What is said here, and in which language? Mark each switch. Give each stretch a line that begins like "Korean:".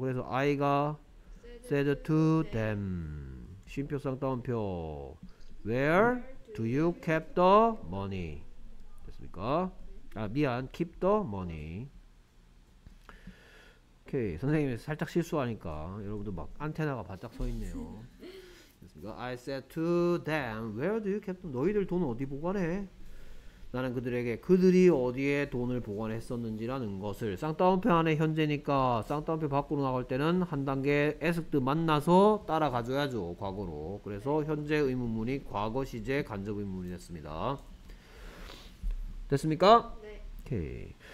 Korean: 그래서 아이가
English: said to them
Korean: 쉼표상 따옴표
English: Where do you keep the money?
Korean: 됐습니까? 아 미안,
English: keep the money.
Korean: 오케이, 선생님이 살짝 실수하니까 여러분도 막 안테나가 바짝 서 있네요. 됐습니까?
English: I said to them, Where do you keep them?
Korean: 너희들 돈 어디 보관해? 나는 그들에게 그들이 어디에 돈을 보관했었는지라는 것을 쌍따옴표 안에 현재니까 쌍따옴표 밖으로 나갈 때는 한 단계 에스드 만나서 따라가줘야죠 과거로. 그래서 현재 의문문이 과거 시제 간접 의문문이 됐습니다. 됐습니까? 오케이.